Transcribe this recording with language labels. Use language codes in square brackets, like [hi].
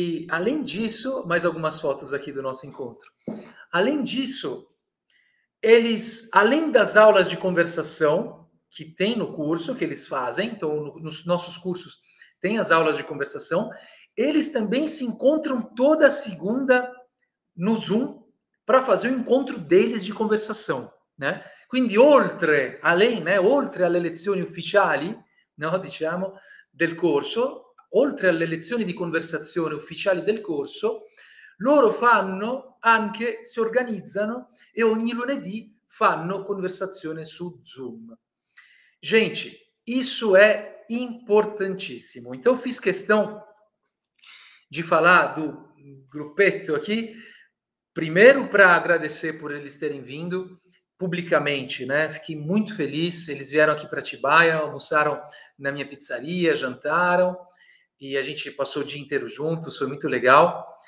[pt] Além disso, mais algumas fotos aqui do nosso encontro. Além disso, eles, além das aulas de conversação que tem no curso, que eles fazem, então nos nossos cursos tem as aulas de conversação, eles também se encontram toda segunda no Zoom para fazer o encontro deles de conversação, né? [it] Quindi oltre, [pt] além, né, [it] oltre alle lezioni ufficiali, no, diciamo, del corso, oltre alle lezioni di conversazione ufficiali del corso, loro fanno anche, si organizzano e ogni lunedì fanno conversazione su Zoom. [pt] Gente, isso [it] è importantissimo. [pt] Então, fiz questão di falar do gruppetto aqui, primeiro para agradecer por eles terem vindo pubblicamente, né? Fiquei muito feliz. Eles vieram aqui para Atibaia, almoçaram na minha pizzaria, jantaram e a gente passou o dia inteiro juntos, foi muito legal.